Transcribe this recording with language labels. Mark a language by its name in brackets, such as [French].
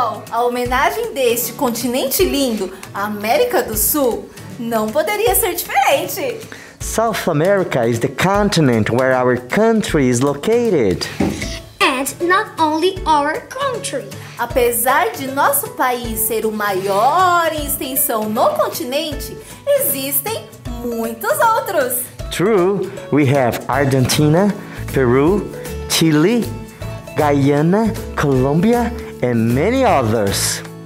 [Portuguese] A homenagem deste continente lindo, a América do Sul, não poderia ser diferente. [English] South America is the continent where our country is located. And not only our country. [Portuguese] Apesar de nosso país ser o maior em extensão no continente, existem muitos outros. [English] True, we have Argentina, Peru, Chile, Guyana, Colombia, and many others.